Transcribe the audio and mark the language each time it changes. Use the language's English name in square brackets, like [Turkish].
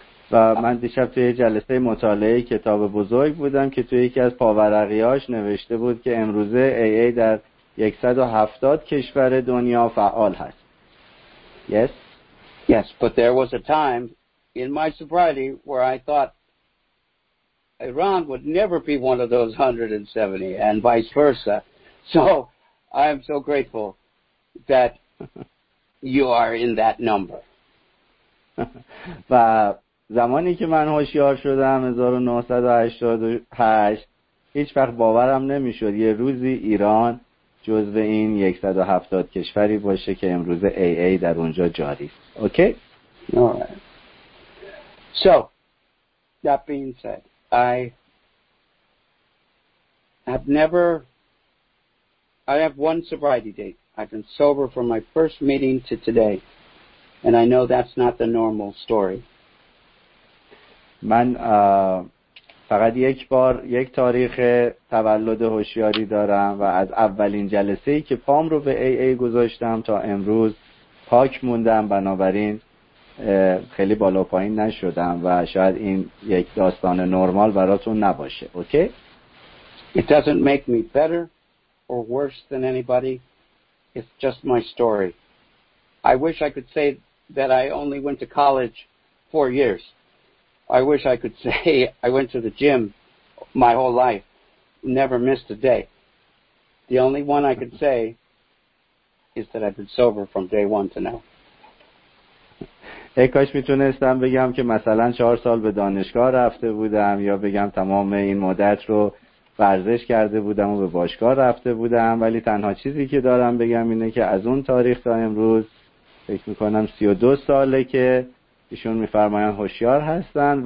[Persian] و من دیشب توی جلسه مطالعه کتاب بزرگ بودم که توی یکی از پاورقی‌هاش نوشته بود که امروزه AA در 170 کشور دنیا فعال هست. [English] Yes? Yes, but there was a time in my sobriety where I thought Iran would never be one of those 170 and vice versa. So I am so grateful that you are in that number. [Persian] و زمانی که من هوشیار شدم 1988 هیچ وقت باورم نمیشد یه روزی ایران جزو این 170 کشوری باشه که امروز AA در اونجا جاری است. [English] Okay? Alright. So, that being said, I have never I have one sobriety date. I've been sober from my first meeting to today. And I know that's not the normal story. [Persian] من فقط یک بار یک تاریخ تولد هوشیاری دارم و از اولین جلسه‌ای که پام رو به AA گذاشتم تا امروز پاک موندم، بنابراین خیلی بالا پایین نشدم و شاید این یک داستان نرمال براتون نباشه. [English] Okay? It doesn't make me better or worse than anybody. It's just my story. I wish I could say that I only went to college 4 years. I wish I could say I went to the gym my whole life, never missed a day. The only one I could say is that I've been sober from day one to now. [Persian] ای کاش میتونستم بگم که مثلا 4 سال به دانشگاه رفته بودم، یا بگم تمام این مدت رو ورزش کرده بودم و به باشگاه رفته بودم، ولی تنها چیزی که دارم بگم اینه که از اون تاریخ تا امروز فکر میکنم 32 ساله که ایشون میفرماین هوشیار هستن.